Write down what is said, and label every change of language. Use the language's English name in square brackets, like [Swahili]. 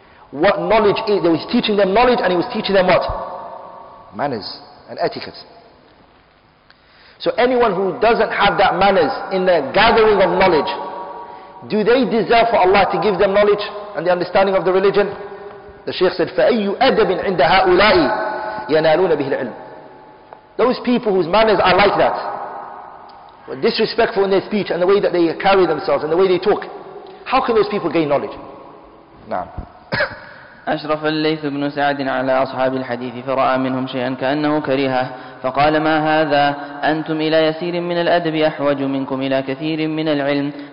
[English] What knowledge is, he was teaching them knowledge and he was teaching them what? Manners and etiquette. So anyone who doesn't have that manners in the gathering of knowledge, do they deserve for Allah to give them knowledge and the understanding of the religion? The Shaykh said, فَأَيُّ أَدَبٍ عِنْدَ هَؤُلَاءِ يَنَالُونَ بِهِ الْعِلْمِ. Those people whose manners are like that, were disrespectful in their speech and the way that they carry themselves and the way they talk, how can those people gain knowledge? [Arabic] نعم. أشرف الليث بن سعد على أصحاب الحديث فرأى منهم شيئا كأنه كريهه فقال ما هذا أنتم إلى يسير من الأدب أحوج منكم إلى كثير من العلم.